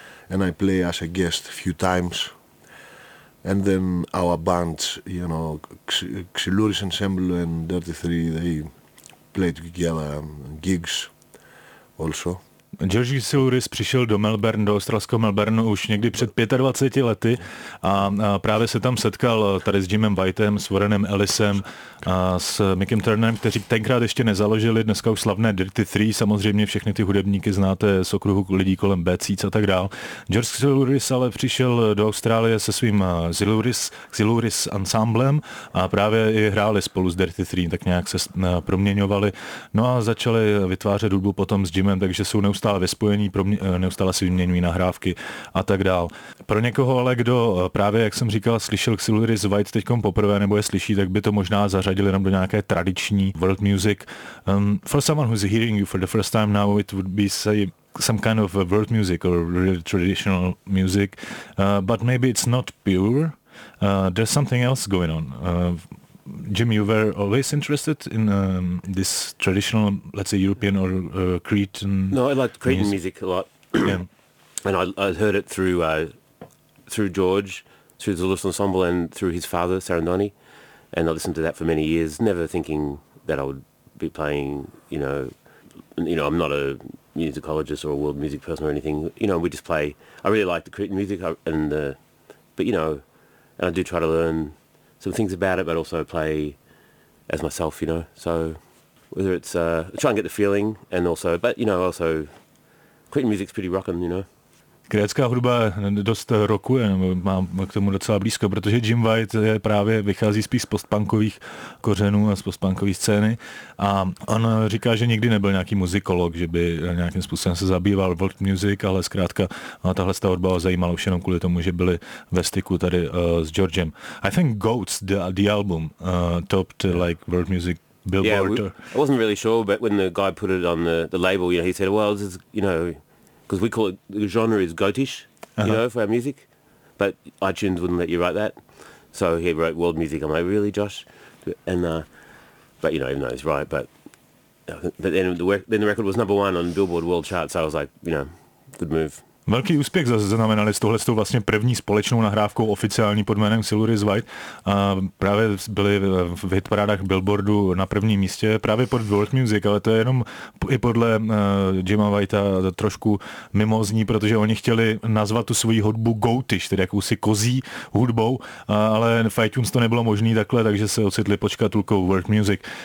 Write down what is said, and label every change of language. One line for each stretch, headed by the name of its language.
English: And I play as a guest a few times. And then our bands, you know, Xiluris Ensemble and Dirty Three, they played together gigs also.
Czech: George Siluris přišel do Melbourne, do australského Melbourneu už někdy před 25 lety a právě se tam setkal tady s Jimem Whitem, s Warrenem Ellisem a s Mickem Turnerem, kteří tenkrát ještě nezaložili dneska už slavné Dirty Three, samozřejmě všechny ty hudebníky znáte z okruhu lidí kolem Bad Seeds a tak dál. George Siluris ale přišel do Austrálie se svým Siluris ensemblem a právě i hráli spolu s Dirty Three, tak nějak se proměňovali. No a začali vytvářet hudbu potom s Jimem, takže jsou neustále ve spojení, neustále si vyměňují nahrávky a tak dál. Pro někoho ale, kdo právě, jak jsem říkal, slyšel Siluris White teďkom poprvé nebo je slyší, tak by to možná zařadil jenom do nějaké tradiční world music.
English: For someone who's hearing you for the first time now, it would be say some kind of world music or really traditional music, but maybe it's not pure. There's something else going on. Jim, you were always interested in this traditional, let's say, European or Cretan. No, I liked Cretan music a lot, yeah. And I heard it through George, through the Zulus Ensemble, and through his father Sarandoni, and I listened to that for many years, never thinking that I would be playing. You know, I'm not a musicologist or a world music person or anything. You know, we just play. I really like the Cretan music, and I do try to learn some things about it, but also play as myself, you know. So whether it's try and get the feeling, and also, but you know, also, Cretan music's pretty rockin', you know.
Czech: Krécká hudba dost rockuje, mám k tomu docela blízko, protože Jim White je právě vychází spíš z postpunkových kořenů a z postpunkové scény a on říká, že nikdy nebyl nějaký muzikolog, že by nějakým způsobem se zabýval world music, ale zkrátka tahle hudba ho zajímala už jenom kvůli tomu, že byli ve styku tady s Georgem.
English: I think Goats, the album, topped like world music billboard. Yeah, I wasn't really sure, but when the guy put it on the label, you know, he said, well, this is, you know, because we call it, the genre is goatish, you know, for our music, but iTunes wouldn't let you write that. So he wrote world music. I'm like, really, Josh? And but you know, even though he's right, but then the record was number one on Billboard World Chart. So I was like, you know, good move.
Czech: Velký úspěch zaznamenali s tohle s tou vlastně první společnou nahrávkou oficiální pod jménem Siluris White. Právě byli v hitparádách Billboardu na prvním místě, právě pod world music, ale to je jenom i podle Jima Whitea trošku mimozní, protože oni chtěli nazvat tu svoji hudbu goatish, tedy jakousi kozí hudbou, ale v iTunes to nebylo možný takhle, takže se ocitli pod škatulkou world music.